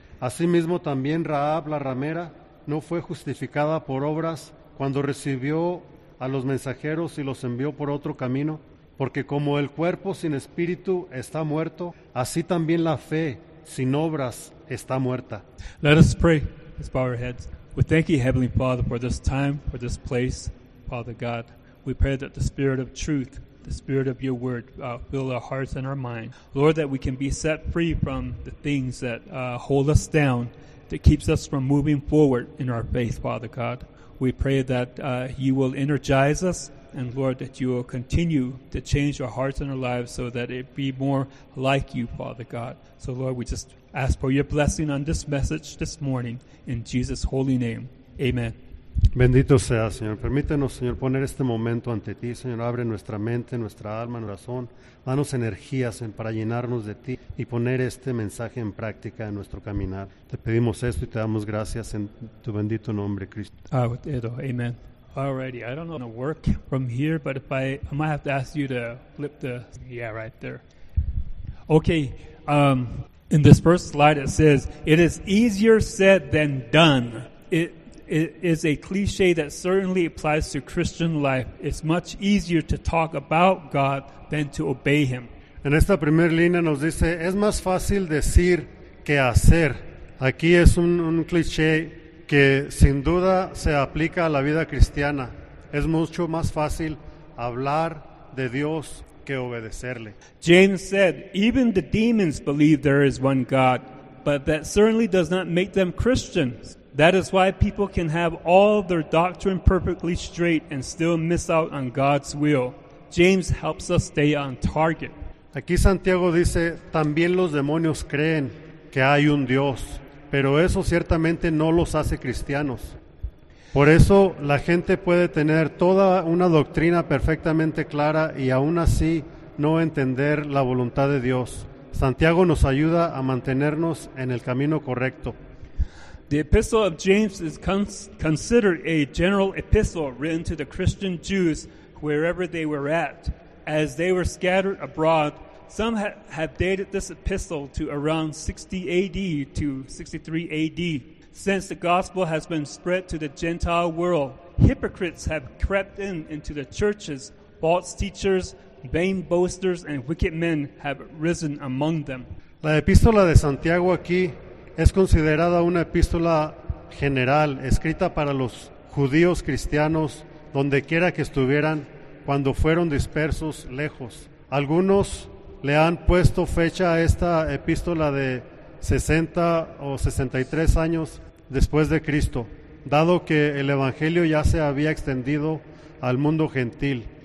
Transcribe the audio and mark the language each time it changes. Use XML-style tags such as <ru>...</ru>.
<es>Asimismo, también Rahab la ramera no fue justificada por obras cuando recibió a los mensajeros y los envió por otro camino. Porque como el cuerpo sin espíritu está muerto, así también la fe sin obras está muerta.</es> <en>Let us pray. Let's bow our heads. We thank you, Heavenly Father, for this time, for this place, Father God. We pray that the Spirit of truth, the Spirit of your word, fill our hearts and our minds. Lord, that we can be set free from the things that hold us down, that keeps us from moving forward in our faith, Father God. We pray that you will energize us, and Lord, that you will continue to change our hearts and our lives so that it be more like you, Father God. So, Lord, we just ask for your blessing on this message this morning, in Jesus' holy name. Amen.</en> <es>Bendito sea, Señor. Permítenos, Señor, poner este momento ante ti, Señor. Abre nuestra mente, nuestra alma, nuestro corazón. Danos energía, Señor, para llenarnos de ti y poner este mensaje en práctica en nuestro caminar. Te pedimos esto y te damos gracias en tu bendito nombre, Cristo. Amen.</es> <en>Alrighty, I don't know if it'll work from here, but if I might have to ask you to flip the... Yeah, right there. Okay, in this first slide it says, it is easier said than done. It is a cliche that certainly applies to Christian life. It's much easier to talk about God than to obey Him.</en> <es>En esta primera línea nos dice, es más fácil decir que hacer. Aquí es un cliché que sin duda se aplica a la vida cristiana. Es mucho más fácil hablar de Dios que obedecerle.</es> <en>James said, even the demons believe there is one God, but that certainly does not make them Christians. That is why people can have all their doctrine perfectly straight and still miss out on God's will. James helps us stay on target.</en> <es>Aquí Santiago dice, también los demonios creen que hay un Dios, pero eso ciertamente no los hace cristianos. Por eso la gente puede tener toda una doctrina perfectamente clara y aún así no entender la voluntad de Dios. Santiago nos ayuda a mantenernos en el camino correcto.</es> <en>The epistle of James is considered a general epistle written to the Christian Jews wherever they were at. As they were scattered abroad, some have dated this epistle to around 60 AD to 63 AD. Since the gospel has been spread to the Gentile world, hypocrites have crept into the churches. False teachers, vain boasters, and wicked men have risen among them.</en> <es>La epístola de Santiago aquí es considerada una epístola general escrita para los judíos cristianos dondequiera que estuvieran cuando fueron dispersos lejos. Algunos le han puesto fecha a esta epístola de 60 o 63 años después de Cristo, dado que el evangelio ya se había extendido al mundo gentil.</es>